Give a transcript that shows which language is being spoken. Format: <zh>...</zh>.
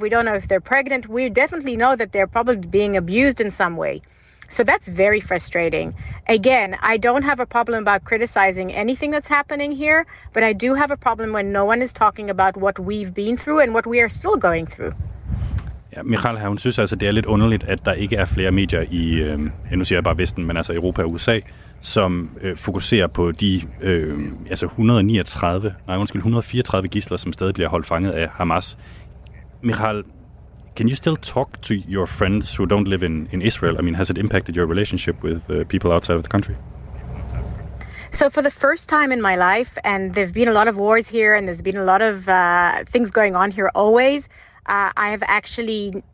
<en>We don't know if they're pregnant. We definitely know that they're probably being abused in some way. So that's very frustrating. Again, I don't have a problem about criticizing anything that's happening here, but I do have a problem when no one is talking about what we've been through and what we are still going through.</en> <da>Ja, Michal her, hun synes altså, det er lidt underligt, at der ikke er flere medier i, nu siger jeg bare Vesten, men altså Europa og USA, som fokuserer på de 134 gidsler, som stadig bliver holdt fanget af Hamas.</da> <en>Michal, can you still talk to your friends who don't live in Israel? I mean, has it impacted your relationship with people outside of the country? So for the first time in my life, and there've been a lot of wars here, and there's been a lot of things going on here always, I have actually</en>